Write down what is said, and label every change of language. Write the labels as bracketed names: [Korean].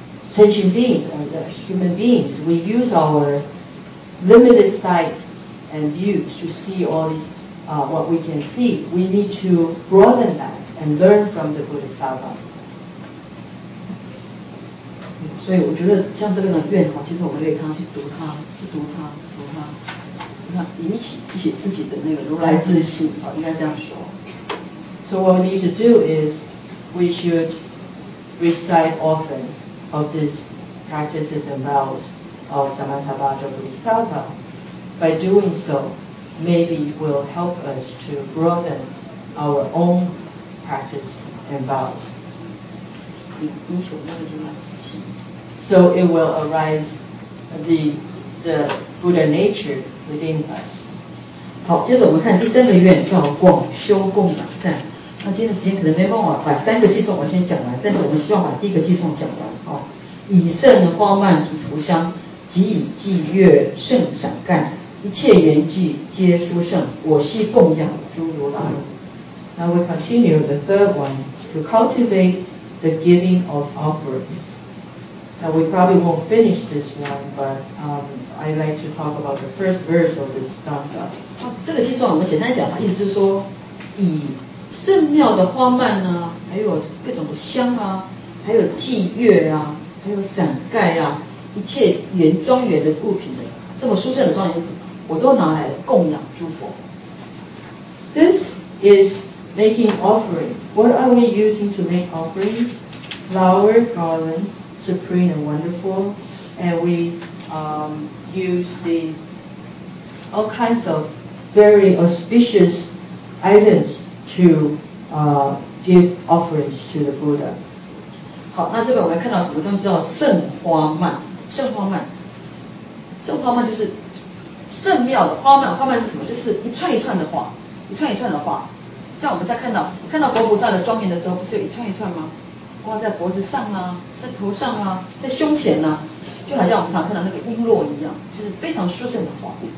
[English] sentient beings, human beings, we use our limited sight and views to see all these, what we can see. We need to broaden that and learn from the Bodhisattva. [Chinese] 所以我觉得像这个呢愿，其实我们可以常常去读它，去读它，读它，引起一些自己的那个如来自信，应该这样说。 [English] So what we need to do is we should recite often of these practices and vows of Samantabhadra Bodhisattva. By doing so, maybe will help us to broaden our own practice and vows. [Chinese] 引起我们的如来自信。 [English] So it will arise the Buddha nature within us. [Chinese] 好，接着我们看第三个愿，叫广修供养赞。那今天的时间可能没办法把三个偈颂完全讲完，但是我们希望把第一个偈颂讲完。哦，以胜花曼提图香，即以伎乐胜闪干，一切言伎皆殊胜，我悉供养诸如来。 [English] Now we continue the third one, to cultivate the giving of offerings. We probably won't finish this one, but I'd like to talk about the first verse of this stanza. [Chinese] 这个其实我们简单讲吧，意思是说，以圣妙的花蔓啊，还有各种的香啊，还有伎乐啊，还有伞盖啊，一切原庄园的物品的这么殊胜的庄园，我都拿来供养诸佛。 [English] This is making offering. What are we using to make offerings? Flower, garlands. Supreme and wonderful, and we use the all kinds of very auspicious items to give offerings to the Buddha. [Chinese] 好，那这边我们看到什么东西叫圣花蔓？圣花蔓，圣花蔓就是圣妙的花蔓。花蔓是什么？就是一串一串的花，一串一串的花。像我们在看到佛菩萨的庄严的时候，不是有一串一串吗？挂在脖子上啊，在头上啊，在胸前啊，就好像我们常看到那个璎珞一样，就是非常殊胜的花。